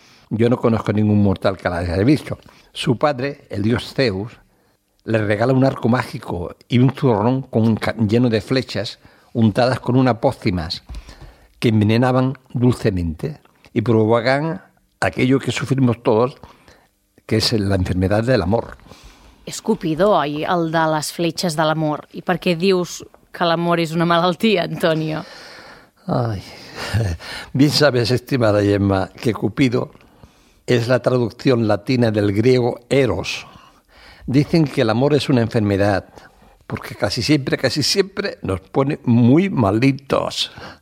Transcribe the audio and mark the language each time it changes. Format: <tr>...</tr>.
<es>Yo no conozco ningún mortal que la haya visto. Su padre, el dios Zeus, le regala un arco mágico y un zurrón lleno de flechas untadas con una pócima que envenenaban dulcemente y provocaban aquello que sufrimos todos, que es la enfermedad del amor.</es> <ca>És Cupido, oi, el de les fletxes de l'amor. I per què dius que l'amor és una malaltia, Antonio?</ca> <es>Ay, bien sabes, estimada Gemma, que Cupido es la traducción latina del griego Eros. Dicen que el amor es una enfermedad, porque casi siempre nos pone muy malitos.</es>